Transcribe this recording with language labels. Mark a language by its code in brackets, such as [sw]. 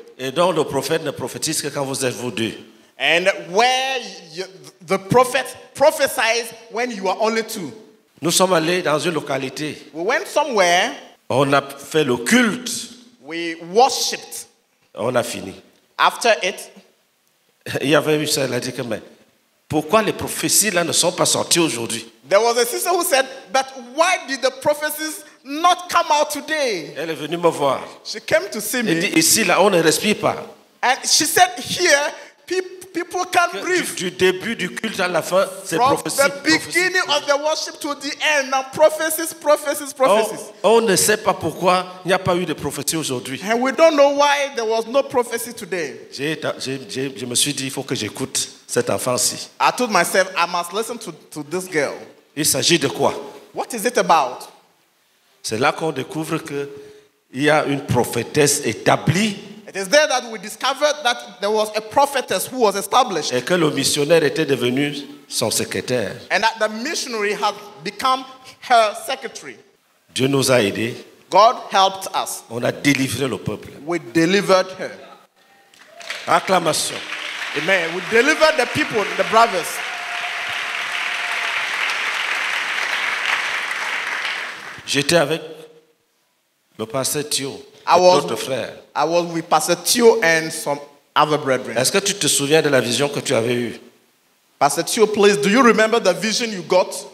[fr] Et donc le prophète ne prophétise que quand vous êtes vous deux. [en] And where you, the prophet prophesies when you are only two. [fr] Nous sommes allés dans une localité. [en] We went somewhere. [fr] On a fait le culte. [en] We worshipped. [fr] On a fini. [en] After it. [fr] Il y avait une sœur qui a dit que mais pourquoi les prophéties là ne sont pas sorties aujourd'hui? [en] There was a sister who said, but why did the prophecies not come out today? [fr] Elle est venue me voir. [en] She came to see me. [fr] Elle dit ici là on ne respire pas. [en] And she said here. People can't breathe. [fr] Du début du culte à la fin, c'est prophétie. [en] From the beginning of the worship to the end, now prophecies, prophecies, prophecies. [fr] On ne sait pas pourquoi il n'y a pas eu de prophétie aujourd'hui. [en] And we don't know why there was no prophecy today. [fr] Je me suis dit, il faut que j'écoute cet enfant-ci. [en] I told myself, I must listen to this girl. [fr] Il s'agit de quoi? [en] What is it about? [fr] C'est là qu'on découvre que il y a une prophétesse établie. [en] It is there that we discovered that there was a prophetess who was established. [fr] Et que le missionnaire était devenu son secrétaire. [en] And that the missionary had become her secretary. [fr] Dieu nous a aidés. [en] God helped us. [fr] On a délivré le peuple. [en] We delivered her. [fr] Acclamation. [en] Amen. We delivered the people, the brothers. [fr] J'étais avec le pasteur Thio. [en] I was with Pastor Thio and some other brethren. [fr] Est-ce que tu te souviens de la vision que tu avais eue? [en] Pastor Thio, please, do you remember the vision you got?